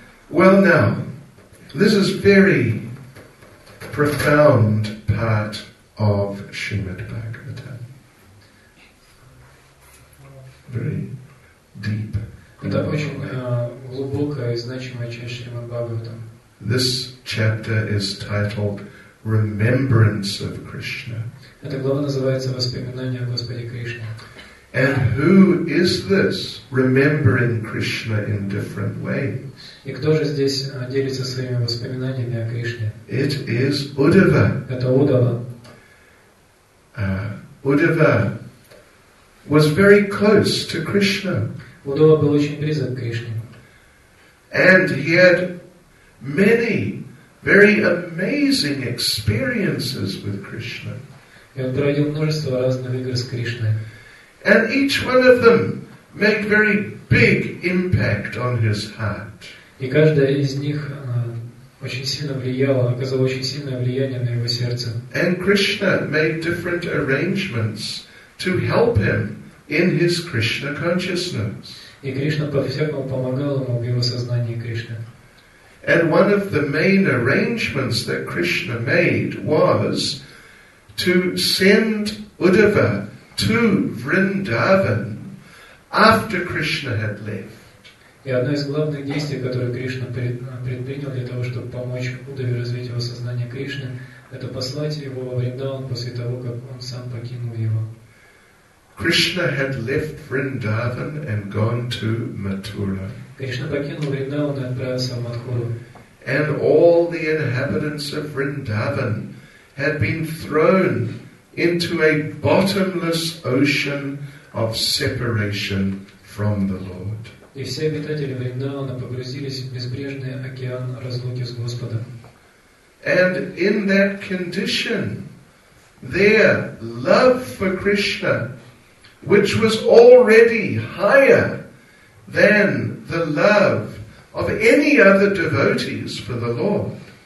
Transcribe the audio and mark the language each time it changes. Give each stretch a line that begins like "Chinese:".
English: Well, now, this is very profound part of Srimad Bhagavatam. Very deep.
Russian: Это очень глубокая и значимая часть Шримад Бхагаватам.
English: This chapter is titled Remembrance of Krishna.
Russian: Эта глава называется «Воспоминание о Господе Кришне».
English: And who is this remembering Krishna in different ways?
Russian: И кто же здесь делится своими воспоминаниями о Кришне?
English: It is Uddhava.
Russian: Это Удава.
English: Uddhava was very close to Krishna.
Russian: Удава был очень близок к Кришне.
English: And he had many very amazing experiences with Krishna.
Russian: И он проводил множество разных игр с Кришной.
English: And each one of them made very big impact on his heart.
Russian: И каждая из них очень сильно влияла, оказала очень сильное влияние на его сердце.
English: And Krishna made different arrangements to help him in his Krishna consciousness.
Russian: И Кришна по-всякому помогал ему в его сознании Кришны.
English: And one of the main arrangements that Krishna made was to send Uddhava to Vrindavan after Krishna had left.
Russian: И одно из главных действий, которое Кришна предпринял для того, чтобы помочь Удаве развить его сознание Кришны, это послать его во Вриндаван после того, как он сам покинул его.
English: Krishna had left Vrindavan and gone to Mathura.
Russian: Кришна покинул Вриндаван и отправился в Матхуру.
English: And all the inhabitants of Vrindavan had been thrown into a bottomless ocean of separation from the Lord.
Russian: И все обитатели Вриндавана погрузились в безбрежный океан разлуки с Господом.
English: And in that condition, their love for Krishna, which was already higher than the love of any other devotees for the Lord,